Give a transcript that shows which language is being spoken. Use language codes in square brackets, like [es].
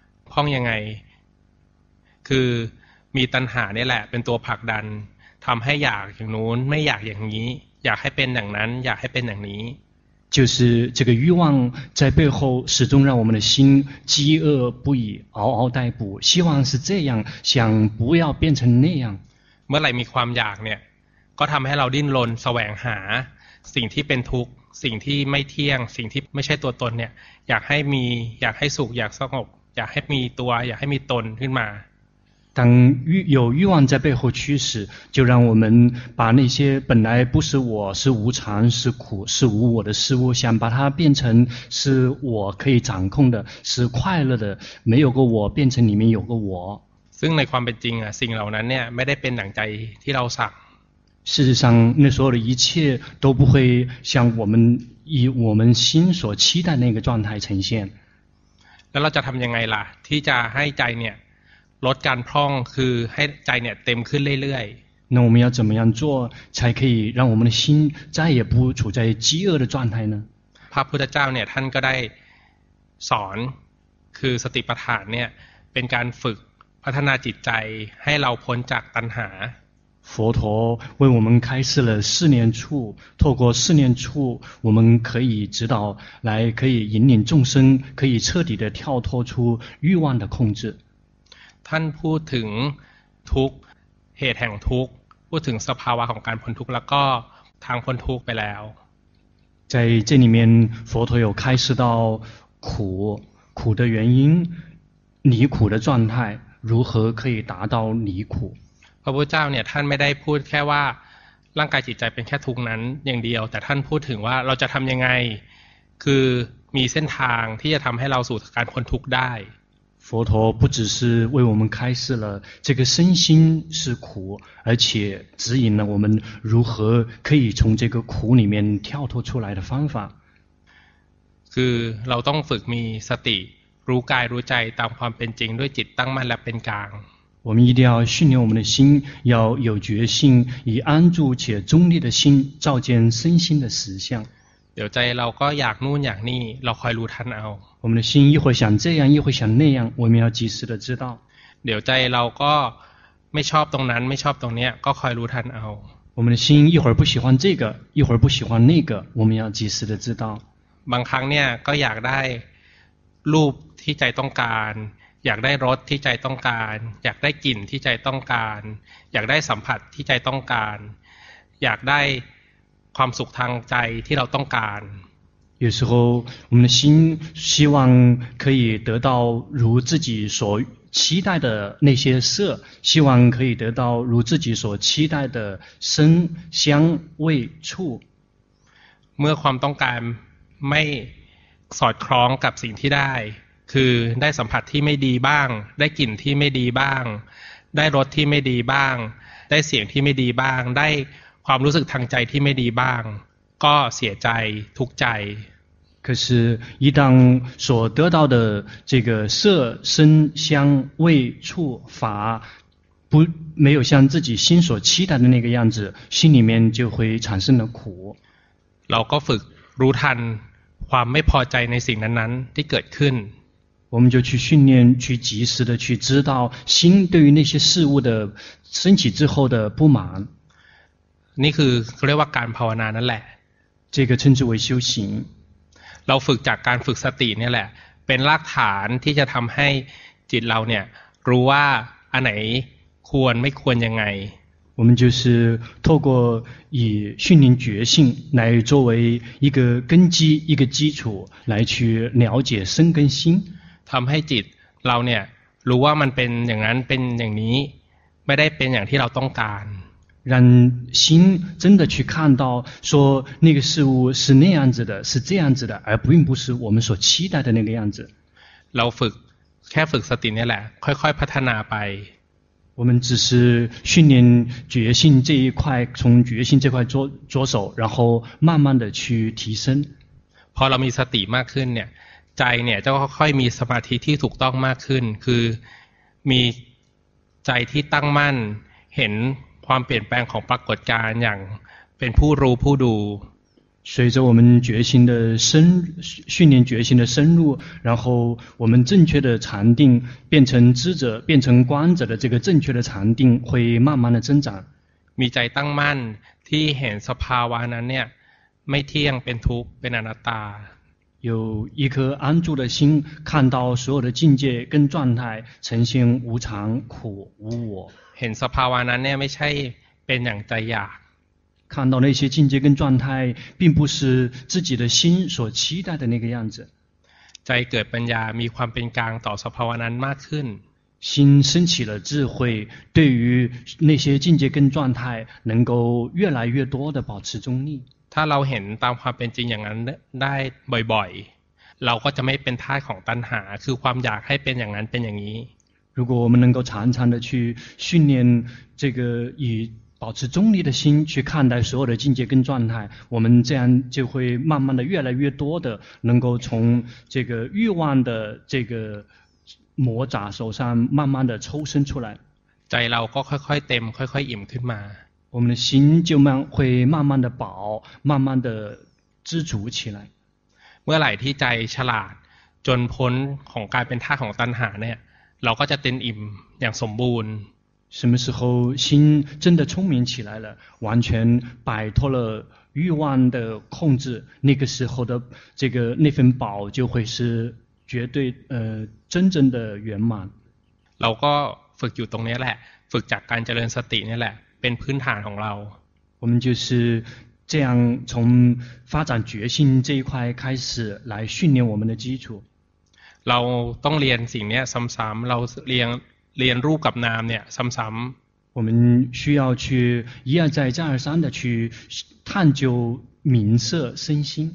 [th] พร่องยังไงคือมีตัณหาเนี่ยแหละเป็นตัวผลักดันทำให้อยากอย่างนู้นไม่อยากอย่างนี้อยากให้เป็นอย่างนั้นอยากให้เป็นอย่างนี้ [zh] 就是这个欲望在背后始终让我们的心饥饿不已嗷嗷待哺希望是这样想不要变成那样 [th] เมื่อไหร่มีความอยากเนี่ยก็ทำให้เราดิ้นรนแสวงหาสิ่งที่เป็นทุกข์สิ่งที่ไม่เที่ยงสิ่งที่ไม่ใช่ตัวตนเนี่ยอยากให้มีอยากให้สุขอยากสงบอยากให้มีตัวอยากให้มีตนขึ้นมา [zh] 当欲有欲望在背后驱使，就让我们把那些本来不是我是无常是苦是无我的事物，想把它变成是我可以掌控的，是快乐的，没有个我，变成里面有个我。 [th] ซึ่งในความเป็นจริงอ่ะสิ่งเหล่านั้นเนี่ยไม่ได้เป็นหนังใจที่เราสั่ง。 [zh] 事实上，那所有的一切都不会像我们以我们心所期待那个状态呈现。 [th] แล้วเราจะทำยังไงล่ะที่จะให้ใจเนี่ยลดการพร่องคือให้ใจเนี่ยเต็มขึ้นเรื่อย [zh] ๆ那我们要怎么样做才可以让我们的心再也不处在饥饿的状态呢？ [th] พระพุทธเจ้าเนี่ยท่านก็ได้สอนคือสติปัฏฐานเนี่ยเป็นการฝึกพัฒนาจิตใจให้เราพ้นจากตัณหา [zh] 佛陀为我们开示了四念处，透过四念处，我们可以指导来可以引领众生，可以彻底的跳脱出欲望的控制。 [th] ท่านพูดถึงทุกข์เหตุแห่งทุกข์พูดถึงสภาวะของการพ้นทุกข์แล้วก็ทางพ้นทุกข์ไปแล้ว [zh] 在这里面佛陀有开示到苦苦的原因离苦的状态如何可以达到离苦 [th] พระพุทธเจ้าเนี่ยท่านไม่ได้พูดแค่ว่าร่างกายจิตใจเป็นแค่ทุกข์นั้นอย่างเดียวแต่ท่านพูดถึงว่าเราจะทำยังไงคือมีเส้นทางที่จะทำให้เราสู่การพ้นทุกข์ได้ [zh] 佛陀不只是为我们开示了这个身心是苦，而且指引了我们如何可以从这个苦里面跳脱出来的方法。 [th] คือเราต้องฝึกมีสติรู้กายรู้ใจตามความเป็นจริงด้วยจิตตั้งมั่นและเป็นกลาง。 [zh] 我们一定要训练我们的心，要有决心，以安住且中立的心照见身心的实相。 [th] เดี๋ยวใจเราก็อยากนู่นอยากนี่เราคอยรู้ทันเอา [zh] 我们的心一会想这样一会想那样我们要及时的知道 [th] เดี๋ยวใจเราก็ไม่ชอบตรงนั้นไม่ชอบตรงเนี้ยก็คอยรู้ทันเอา [zh] 我们的心一会儿不喜欢这个一会儿不喜欢那个我们要及时的知道 [th] บางครั้งเนี่ยก็อยากได้รูปที่ใจต้องการอยากได้รสที่ใจต้องการอยากได้กลิ่นที่ใจต้องการอยากได้สัมผัสที่ใจต้องการอยากได้ความสุขทางใจที่เราต้องการ [zh] 有时候我们的心希望可以得到如自己所期待的那些色希望可以得到如自己所期待的声香味触 [th] เมื่อความต้องการไม่สอดคล้องกับสิ่งที่ได้คือได้สัมผัสที่ไม่ดีบ้างได้กลิ่นที่ไม่ดีบ้างได้รสที่ไม่ดีบ้างได้เสียงที่ไม่ดีบ้างได้ความรู้สึกทางใจที่ไม่ดีบ้างก็เสียใจทุกข์ใจ [zh] 可是一旦所得到的这个色声香味触法不没有像自己心所期待的那个样子心里面就会产生了苦 [th] เราก็ฝึกรู้ทันความไม่พอใจในสิ่งนั้นๆที่เกิดขึ้น [zh] 我们就去训练去及时的去知道心对于那些事物的升起之后的不满 [th] นี่คือเขาเรียกว่าการภาวนานั่นแหละ [zh] 这个称之为修行 [th] เราฝึกจากการฝึกสติเนี่ยแหละเป็นรากฐานที่จะทำให้จิตเราเนี่ยรู้ว่าอันไหนควรไม่ควรยังไง [zh] 我们就是透过以训练觉性来作为一个根基一个基础来去了解身跟心 [th] ทำให้จิตเราเนี่ยรู้ว่ามันเป็นอย่างนั้นเป็นอย่างนี้ไม่ได้เป็นอย่างที่เราต้องการ [zh] 让心真的去看到说那个事物是那样子的是这样子的而并不是我们所期待的那个样子 [th] เราฝึกแค่ฝึกสตินี่แหละค่อยๆพัฒนาไป [zh] 我们只是训练觉性这一块从觉性这块 着手然后慢慢的去提升 [th] พอเรามีสติมากขึ้นเนี่ยใจเนี่ยจะค่อยมีสมาธิที่ถูกต้องมากขึ้นคือมีใจที่ตั้งมั่นเห็นความเปลี่ยนแปลงของปรากฏการณ์อย่างเป็นผู้รู้ผู้ดู [zh] 随着我们决心的深训练决心的深入然后我们正确的禅定变成知者变成观者的这个正确的禅定会慢慢的增长 [th] มีใจตั้งมั่นที่เห็นสภาวะนั้นเนี่ยไม่เที่ยงเป็นทุกข์เป็นอนัตตา [zh] 有一颗安住的心看到所有的境界跟状态呈现无常苦无我 [th] เห็นสภาวะนั้นเนี่ยไม่ใช่เป็นอย่างใจอยาก [zh] 看到那些境界跟状态并不是自己的心所期待的那个样子 [th] ใจเกิดปัญญามีความเป็นกลางต่อสภาวะนั้นมากขึ้น [zh] 心升起了智慧，对于那些境界跟状态，能够越来越多的保持中立。 [th] ถ้าเราเห็นตามความเป็นจริงอย่างนั้นได้บ่อยๆเราก็จะไม่เป็นทาสของตัณหาคือความอยากให้เป็นอย่างนั้นเป็นอย่างนี้ [zh] 如果我们能够常常的去训练这个以保持中立的心去看待所有的境界跟状态，我们这样就会慢慢的越来越多的能够从这个欲望的这个魔爪手上慢慢的抽身出来。 [th] ใจเราก็ค่อยๆเต็มค่อยๆอิ่มขึ้นมา [zh] 我们的心就慢会慢慢的饱，慢慢的知足起来。 [th] เมื่อไหร่ที่ใจฉลาดจนพ้นของกลายเป็นธาตุของตัณหาเนี่ยเราก็จะเต็มอิ่มอย่างสมบูรณ์ [zh] 什么时候心真的聪明起来了，完全摆脱了欲望的控制，那个时候的这个那份饱就会是绝对真正的圆满。 [th] เราก็ฝึกอยู่ตรงนี้แหละฝึกจากการเจริญสตินี่แหละเป็นพื้นฐานของเรา [zh] 我们就是这样从发展决心这一块开始来训练我们的基础。 [th] เราต้องเรียนสิ่งนี้ซ้ำๆเรียนรูปกับนามเนี่ยซ้ำ [zh] ๆ我们需要去一而再再而三的去探究名色身心